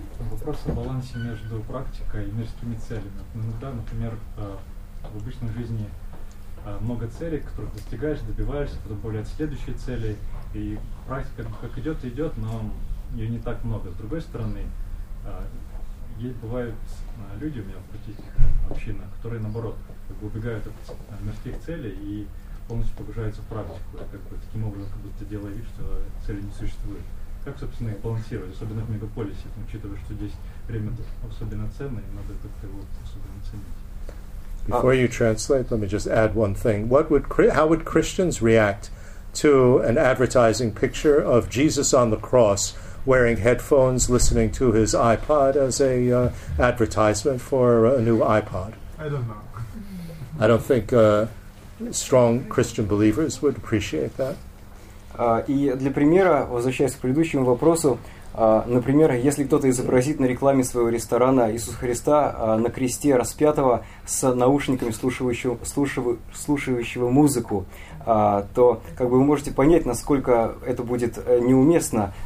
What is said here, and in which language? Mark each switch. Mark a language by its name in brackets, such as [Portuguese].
[Russian] Вопрос о балансе между практикой и мирскими целями. Иногда, например, в обычной жизни много целей, которых достигаешь, добиваешься, потом появляются следующие цели, и практика как идет, идет, но ее не так много. С другой стороны, есть бывают люди у меня в практических общинах, которые наоборот как бы убегают от мирских целей и полностью погружаются в практику, как бы таким образом как будто делая вид, что цели не существует. Как, собственно, их балансировать, особенно в мегаполисе, там, учитывая, что здесь время особенно ценное, и надо как-то его особенно ценить. [English] Before you translate, let me just add one thing. How would Christians react to an advertising picture of Jesus on the cross, wearing headphones, listening to his iPod as a advertisement for a new iPod? I don't know. I don't think strong Christian believers would appreciate that. [Russian] И для примера, возвращаясь к предыдущему вопросу, например, если кто-то изобразит на рекламе своего ресторана Иисуса Христа на кресте распятого с наушниками слушающего музыку, то как бы вы можете понять, насколько это будет неуместно.